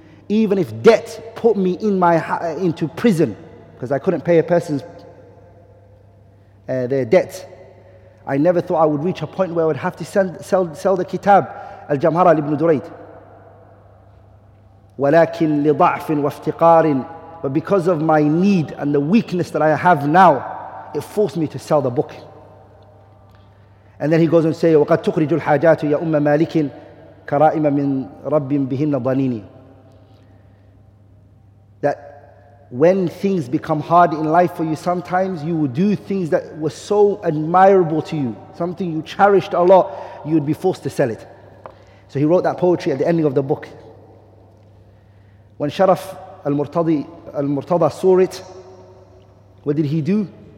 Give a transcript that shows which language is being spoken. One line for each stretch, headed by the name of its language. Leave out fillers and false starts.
English: Even if debt put me into prison, because I couldn't pay a person's their debt, I never thought I would reach a point where I would have to sell the kitab, Al-Jamhara Ibn Durayd.
Arabic: ولكن لضعف وافتقار,
English: but because of my need and the weakness that I have now, it forced me to sell the book. And then he goes on saying,
Arabic: وَقَدْ تُخْرِجُ الْحَاجَاتُ يَا أُمَّ مَالِكٍ كَرَائِمًا مِنْ رَبٍّ بِهِنَّ ضَنِينِ.
English: That when things become hard in life for you, sometimes you will do things that were so admirable to you, something you cherished a lot, you would be forced to sell it. So he wrote that poetry at the ending of the book. When Sharaf al-Murtada saw it, what did he do?